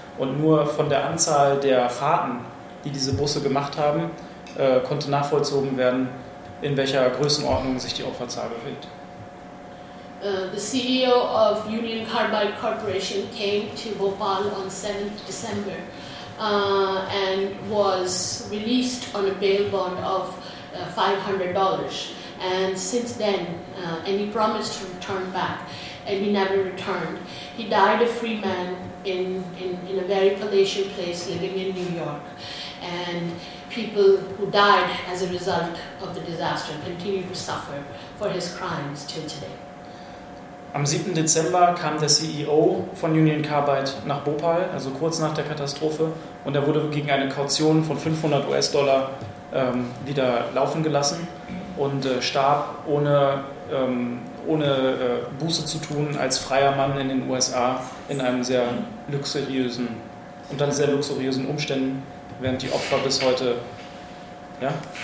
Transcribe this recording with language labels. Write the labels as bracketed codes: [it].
[de] Und nur von der Anzahl der Fahrten, die diese Busse gemacht haben, konnte nachvollzogen werden, in welcher Größenordnung sich die Opferzahl befindet. [en] The CEO of Union Carbide Corporation came to Bhopal on 7th December and was released on a bail bond of $500. And since then, and he promised to return back, and he never returned. He died a free man in a very palatial place living in New York. And people who died as a result of the disaster continue to suffer for his crimes till today. [de] Am 7. Dezember kam der CEO von Union Carbide nach Bhopal, also kurz nach der Katastrophe, und er wurde gegen eine Kaution von $500 wieder laufen gelassen und starb ohne ohne Buße zu tun, als freier Mann in den USA in einem sehr luxuriösen, unter sehr luxuriösen Umständen, während die Opfer bis heute, ja?